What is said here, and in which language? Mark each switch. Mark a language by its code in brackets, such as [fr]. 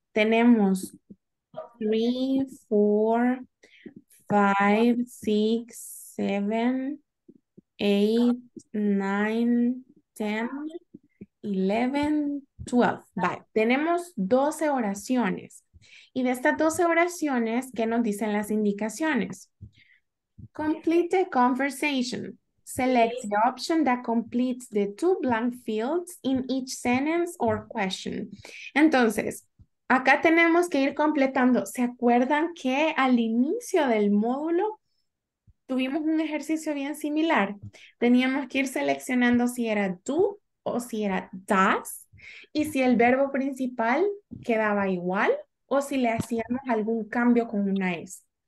[es] Tenemos 3, 4, 5, 6, 7, 8, 9, 10, 11, 12. Vale. Tenemos 12 oraciones. Y de estas 12 oraciones, ¿qué nos dicen las indicaciones? [en] Complete the conversation. Select the option that completes the two blank fields in each sentence or question. [es] Entonces, acá tenemos que ir completando. ¿Se acuerdan que al inicio del módulo tuvimos un ejercicio bien similar? Teníamos que ir seleccionando si era do o si era does, y si el verbo principal quedaba igual o si le hacíamos algún cambio con una S.